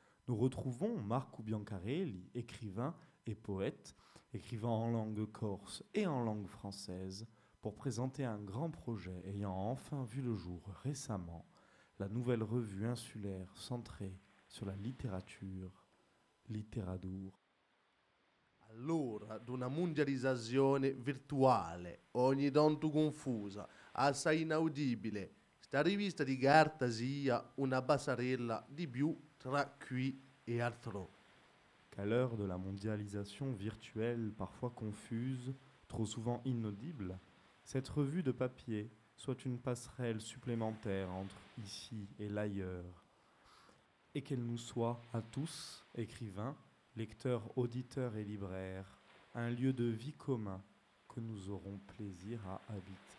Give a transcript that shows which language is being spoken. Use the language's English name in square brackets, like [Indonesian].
[French] Nous retrouvons Marco Biancarelli, écrivain et poète, écrivain en langue corse et en langue française, pour présenter un grand projet ayant enfin vu le jour récemment, la nouvelle revue insulaire centrée sur la littérature, Littéradour. [Corsican] All'ora d'una mondializzazione virtuale, ogni tanto confusa, assai inaudibile, sta rivista di carta sia una passerella di più tra qui e altro. [French] Qu'à l'heure de la mondialisation virtuelle, parfois confuse, trop souvent inaudible, cette revue de papier soit une passerelle supplémentaire entre ici et l'ailleurs, et qu'elle nous soit à tous, écrivains, lecteurs, auditeurs et libraires, un lieu de vie commun que nous aurons plaisir à habiter.